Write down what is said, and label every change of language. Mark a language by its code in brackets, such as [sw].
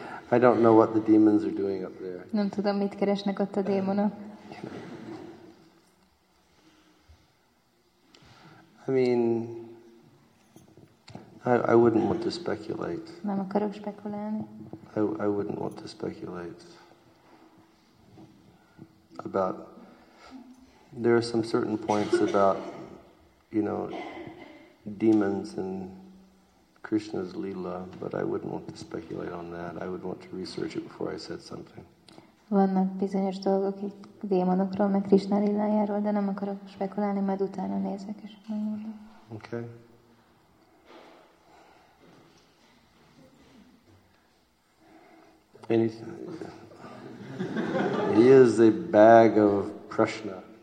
[en] I don't know what the demons are doing up there. [hu] Nem tudom, mit keresnek ott a démonok. [en] I mean, I wouldn't want to speculate. [hu] Nem akarok spekulálni. [en] I wouldn't want to speculate about. There are some certain points about, you know, demons and Krishna's lila, but I wouldn't want to speculate on that. I would want to research it before I said something. [hu] Vannak bizonyos dolgok itt démonokról, meg Krishna lilájáról, de nem akarok spekulálni, majd utána nézek és megmondom. [en] Okay. Anything? He is a bag of Krishna.